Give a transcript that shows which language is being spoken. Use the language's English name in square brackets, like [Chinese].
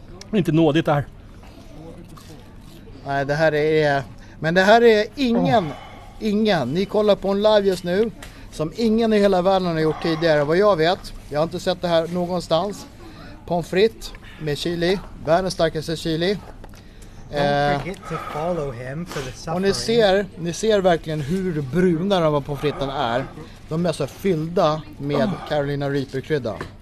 [Swedish] Det är inte nådigt det här. Nej, det här är... Men det här är ingen... Oh. Ingen. Ni kollar på en live just nu. Som ingen i hela världen har gjort tidigare, vad jag vet. Jag har inte sett det här någonstans. Pommes frites med chili. Världens starkaste chili. [English] Don't forget to follow him for the suffering. [Swedish] Och ni ser verkligen hur bruna de här pommes frites är. De är så fyllda med Carolina Reaper-krydda.